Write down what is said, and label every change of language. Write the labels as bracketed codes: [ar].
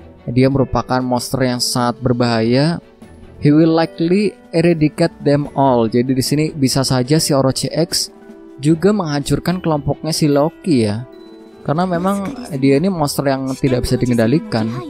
[id] Dia merupakan monster yang sangat berbahaya. [en] He will likely eradicate them all. [id] Jadi di sini bisa saja si Orochi X juga menghancurkan kelompoknya si Loki ya. Karena memang dia ini monster yang tidak bisa dikendalikan.